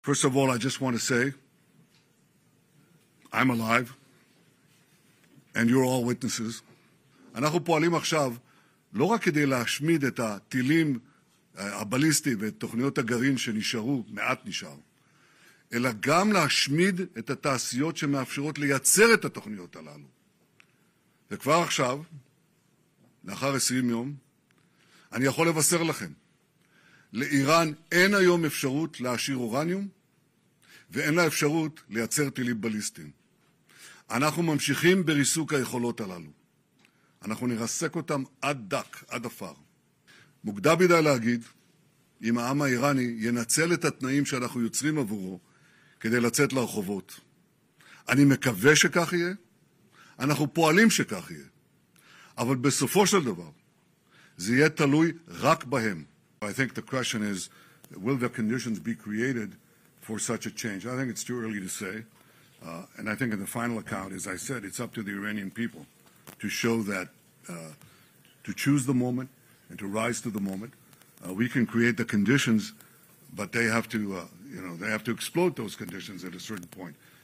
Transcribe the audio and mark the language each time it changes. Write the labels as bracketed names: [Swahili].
[English] First of all, I just want to say I'm alive, and you're all witnesses. [Hebrew] אנחנו פועלים עכשיו לא רק כדי להשמיד את הטילים הבליסטי ואת תוכניות הגרעין שנשארו, מעט נשאר, אלא גם להשמיד את התעשיות שמאפשרות לייצר את התוכניות הללו. וכבר עכשיו, לאחר 20 יום, אני יכול לבשר לכם, לאיראן אין היום אפשרות להשאיר אורניום, ואין לה אפשרות לייצר טילים בליסטיים. אנחנו ממשיכים בריסוק היכולות הללו. אנחנו נרסק אותם עד דק, עד אפר. מוקדם מדי להגיד אם העם האיראני ינצל את התנאים שאנחנו יוצרים עבורו כדי לצאת לרחובות. אני מקווה שכך יהיה, אנחנו פועלים שכך יהיה, אבל בסופו של דבר זה יהיה תלוי רק בהם. [English] I think the question is, will the conditions be created for such a change? I think it's too early to say, and I think in the final account, as I said, it's up to the Iranian people to show that, to choose the moment and to rise to the moment. We can create the conditions, but they have to, you know, they have to explode those conditions at a certain point.